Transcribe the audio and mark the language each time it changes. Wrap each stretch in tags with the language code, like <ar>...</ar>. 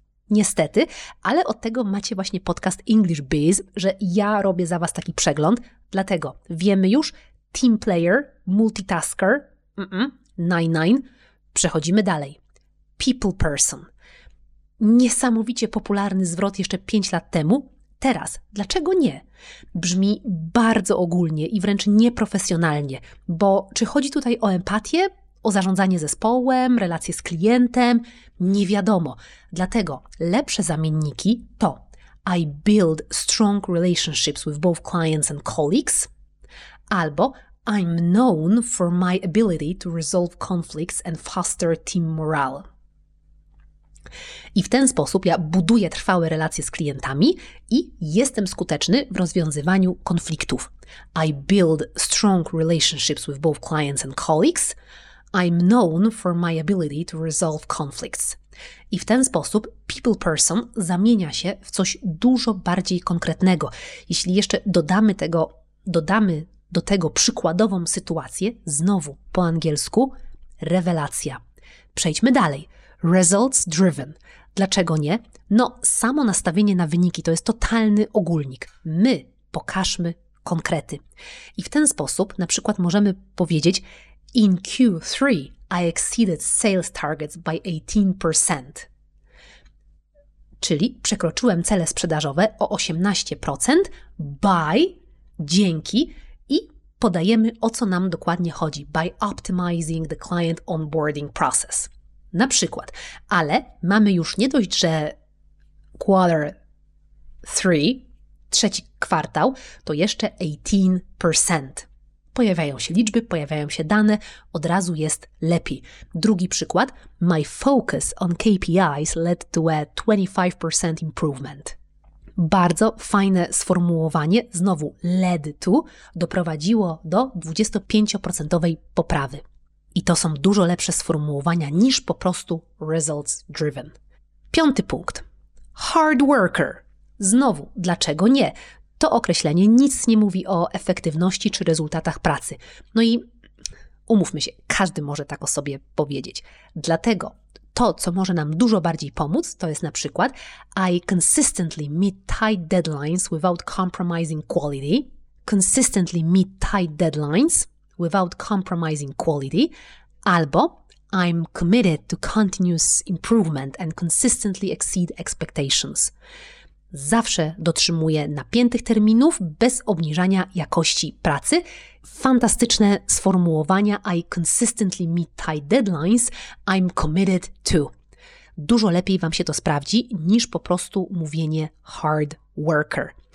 <pl>Niestety, ale od tego macie właśnie podcast English Biz, że ja robię za Was taki przegląd, dlatego wiemy już team player, multitasker, 99, przechodzimy dalej. People person. Niesamowicie popularny zwrot jeszcze 5 lat temu. Teraz, dlaczego nie? Brzmi bardzo ogólnie i wręcz nieprofesjonalnie, bo czy chodzi tutaj o empatię, o zarządzanie zespołem, relacje z klientem? Nie wiadomo. Dlatego lepsze zamienniki to</pl> <en>I build strong relationships with both clients and colleagues</en> <pl>albo</pl> <en>I'm known for my ability to resolve conflicts and foster team morale.</en> <pl>I w ten sposób ja buduję trwałe relacje z klientami i jestem skuteczny w rozwiązywaniu konfliktów.</pl> <en>I build strong relationships with both clients and colleagues. I'm known for my ability to resolve conflicts.</en> <pl>I w ten sposób people person zamienia się w coś dużo bardziej konkretnego. Jeśli jeszcze dodamy do tego przykładową sytuację, znowu po angielsku, rewelacja. Przejdźmy dalej. Results driven. Dlaczego nie? No, samo nastawienie na wyniki to jest totalny ogólnik. My pokażmy konkrety. I w ten sposób na przykład możemy powiedzieć:</pl> <en>In Q3, I exceeded sales targets by 18%.</en> <pl>Czyli przekroczyłem cele sprzedażowe o 18% by, dzięki, i podajemy, o co nam dokładnie chodzi.</pl> <en>By optimizing the client onboarding process.</en> <pl>Na przykład, ale mamy już nie dość, że quarter 3, trzeci kwartał, to jeszcze 18%. Pojawiają się liczby, pojawiają się dane, od razu jest lepiej. Drugi przykład,</pl> <en>my focus on KPIs led to a 25% improvement.</en> <pl>Bardzo fajne sformułowanie, znowu led to, doprowadziło do 25% poprawy. I to są dużo lepsze sformułowania niż po prostu results driven. Piąty punkt. Hard worker. Znowu, dlaczego nie? To określenie nic nie mówi o efektywności czy rezultatach pracy. No i umówmy się, każdy może tak o sobie powiedzieć. Dlatego to, co może nam dużo bardziej pomóc, to jest na przykład</pl> <en>I consistently meet tight deadlines without compromising quality. Consistently meet tight deadlines without compromising quality.</en> <pl>Albo</pl> <en>I'm committed to continuous improvement and consistently exceed expectations.</en> <pl>Zawsze dotrzymuję napiętych terminów bez obniżania jakości pracy. Fantastyczne sformułowania</pl> <en>I consistently meet tight deadlines, I'm committed to.</en> <pl>Dużo lepiej Wam się to sprawdzi niż po prostu mówienie hard worker.</pl>